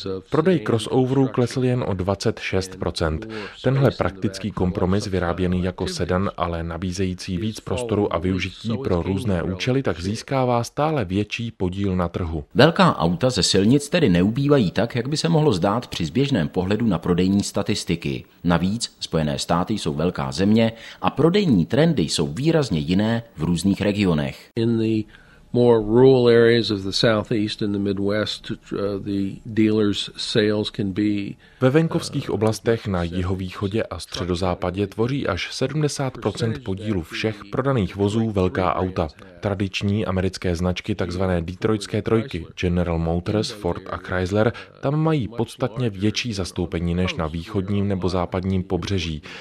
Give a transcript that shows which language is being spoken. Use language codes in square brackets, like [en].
[cs] Prodej crossoverů klesl jen o 26%. Tenhle praktický kompromis, vyráběný jako sedan, ale nabízející víc prostoru a využití pro různé účely, tak získává stále větší podíl na trhu. Velká auta ze silnic tedy neubývají tak, jak by se mohlo zdát při zběžném pohledu na prodejní statistiky. Navíc Spojené státy jsou velká země a prodejní trendy jsou výrazně jiné v různých regionech. [en] More rural areas of the southeast and the midwest, the dealers' sales can be. [cs] Ve venkovských oblastech na jihovýchodě a středozápadě tvoří až 70% podílu všech prodaných vozů velká auta. Tradiční americké značky, takzvané detroitské trojky, General Motors, Ford a Chrysler, tam mají podstatně větší zastoupení než na východním nebo západním pobřeží.